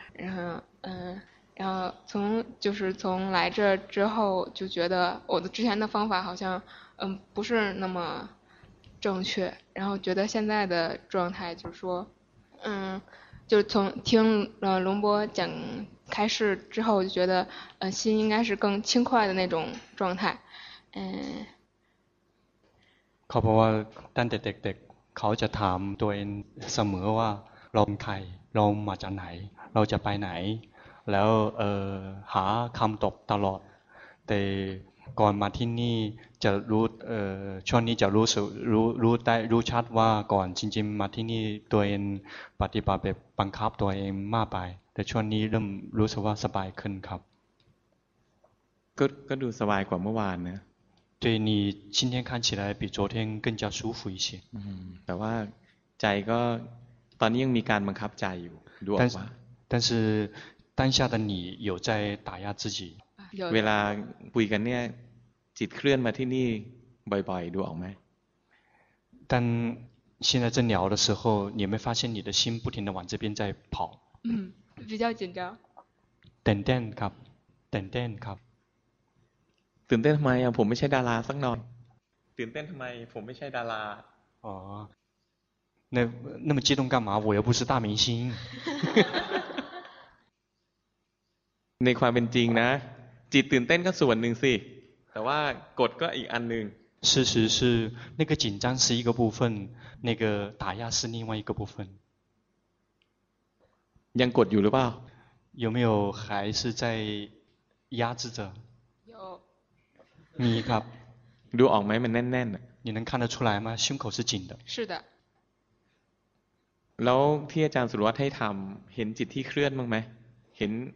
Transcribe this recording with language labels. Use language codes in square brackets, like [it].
[zh] 然后然后从来这之后，就觉得我的之前的方法好像不是那么正确，然后觉得现在的状态就是说就是从听龙波讲开示之后，就觉得心应该是更轻快的那种状态。 [th] เขาบอกว่าตั้งแต่เด็กๆเขาจะถามตัวเองเสมอว่าเราเป็นใครเรามาจากไหนเราจะไปไหนแล้วหาคำตอบตลอดแต่ก่อนมาที่นี่จะรู้ช่วงนี้จะรู้ได้รู้ชัดว่าก่อนจริงๆมาที่นี่ตัวเองปฏิบัติแบบบังคับตัวเองมากไปแต่ช่วงนี้เริ่มรู้สึกว่าสบายขึ้นครับ ก็ดูสบายกว่าเมื่อวานนะ [zh] 对你今天看起来比昨天更加舒服一些 [th] แต่ว่าใจก็ตอนนี้ยังมีการบังคับใจอยู่ดูออกว่า [zh] 但是当下的你有在打压自己 [th] เวลาคุยกันเนี่ยจิตเคลื่อนมาที่นี่บ่อยๆดูออกไหม [zh] 但现在在聊的时候你没发现你的心不停的往这边在跑比较紧张等 [th] ครับ等ครับ ตื่นเต้นทำไมอ่ะผมไม่ใช่ดาราสักหน่อยตื่นเต้นทำไมผมไม่ใช่ดารา [zh] อ๋อ那么激动干嘛我又不是大明星 [th] ในความเป็นจริงนะจิตตื่นเต้นก็ส่วนหนึ่งสิแต่ว่ากฎก็อีกอันหนึ่ง [zh] 是那个紧张是一个部分那个打压是另外一个部分 [th] ยังกดอยู่หรือเปล่า [zh] 有没有还是在压制着 [th] มีครับ ดูออกไหมมันแน่นๆ [zh] 你能看得出来吗胸口是紧的是的 [th] แล้วที่อาจารย์สุรวัตรให้ทำเห็นจิตที่เคลื่อนบ้างไหมเห็น